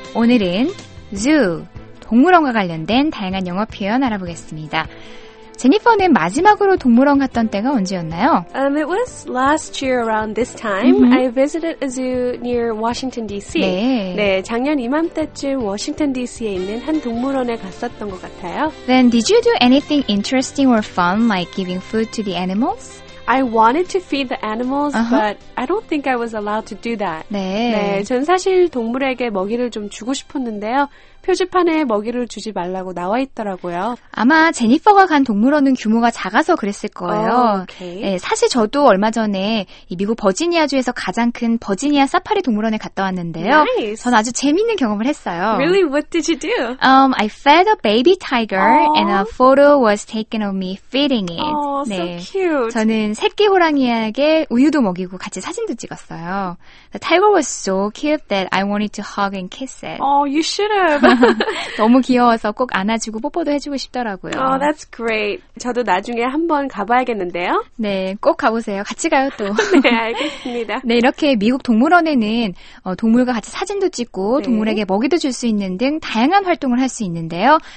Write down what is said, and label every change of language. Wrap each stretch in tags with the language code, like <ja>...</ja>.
<ko>오늘은 zoo, 동물원과 관련된 다양한 영어 표현 알아보겠습니다. 제니퍼는 마지막으로 동물원 갔던 때가 언제였나요?</ko> <en>It was last year around this time. Mm-hmm. I visited a zoo near Washington, D.C.</en> <ko>네. 네, 작년 이맘때쯤 워싱턴 D.C.에 있는 한 동물원에 갔었던 것 같아요.</ko> <en>Then did you do anything interesting or fun, like giving food to the animals? I wanted to feed the animals, uh-huh. but I don't think I was allowed to do that.</en> <ko>네. 네, 전 사실 동물에게 먹이를 좀 주고 싶었는데요. 표지판에 먹이를 주지 말라고 나와 있더라고요. 아마 제니퍼가 간 동물원은 규모가 작아서 그랬을 거예요.</ko> <en>Oh, okay.</en> <ko>네, 사실 저도 얼마 전에 미국 버지니아주에서 가장 큰 버지니아 사파리 동물원에 갔다 왔는데요.</ko> <en>Nice.</en> <ko>전 아주 재밌는 경험을 했어요.</ko> <en>Really? What did you do? I fed a baby tiger and a photo was taken of me feeding it. Oh,</en> <ko>네.</ko> <en>so cute.</en> <ko>저는 새끼 호랑이에게 우유도 먹이고 같이 사진도 찍었어요.</ko> <en>The tiger was so cute that I wanted to hug and kiss it. Oh, you should have.</en> <ko>너무 귀여워서 꼭 안아주고 뽀뽀도 해주고 싶더라고요.</ko> <en>Oh, that's great.</en> <ko>저도 나중에 한번 가봐야겠는데요. 네, 꼭 가보세요. 같이 가요 또. 네, 알겠습니다. 네, 이렇게 미국 동물원에는 동물과 같이 사진도 찍고 네. 동물에게 먹이도 줄 수 있는 등 다양한 활동을 할 수 있는데요.</ko>